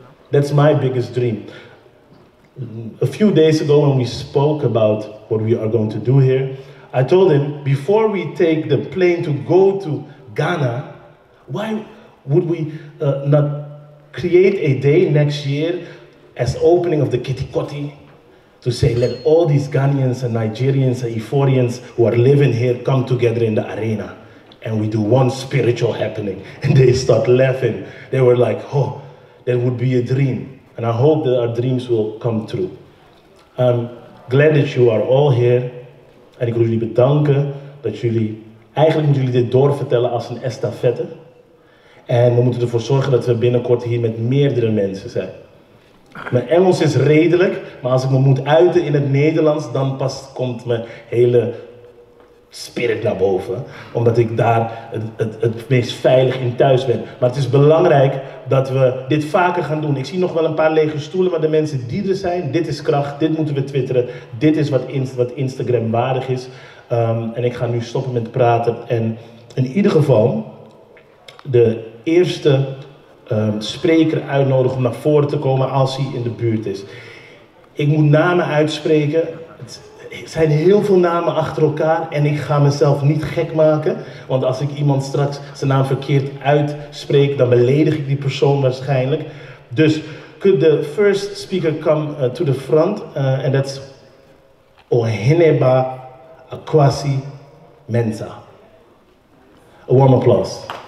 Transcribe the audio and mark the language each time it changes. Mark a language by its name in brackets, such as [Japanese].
[English] That's my biggest dream. A few days ago, when we spoke about what we are going to do here, I told him, before we take the plane to go to Ghana, why would we not create a day next year as opening of the Kitikoti to say, let all these Ghanaians and Nigerians and Ivorians who are living here come together in the arena, and we do one spiritual happening. And they start laughing. They were like, oh, that would be a dream. And I hope that our dreams will come true. I'm glad that you are all here. [Dutch] And ik wil jullie bedanken dat jullie, eigenlijk moeten jullie dit doorvertellen als een estafette. En we moeten ervoor zorgen dat we binnenkort hier met meerdere mensen zijn. Mijn Engels is redelijk, maar als ik me moet uiten in het Nederlands, dan pas komt mijn hele spirit naar boven. Omdat ik daar het meest veilig in thuis ben. Maar het is belangrijk dat we dit vaker gaan doen. Ik zie nog wel een paar lege stoelen, maar de mensen die er zijn, dit is kracht, dit moeten we twitteren. Dit is wat Instagram waardig is. En ik ga nu stoppen met praten. En in ieder geval, de eerste spreker uitnodigen om naar voren te komen als hij in de buurt is. Ik moet namen uitspreken. Het zijn heel veel namen achter elkaar en ik ga mezelf niet gek maken. Want als ik iemand straks zijn naam verkeerd uitspreek, dan beledig ik die persoon waarschijnlijk. [English] Dus, could the first speaker come to the front? And that's Oheneba Akwasi Mensah. A warm applause.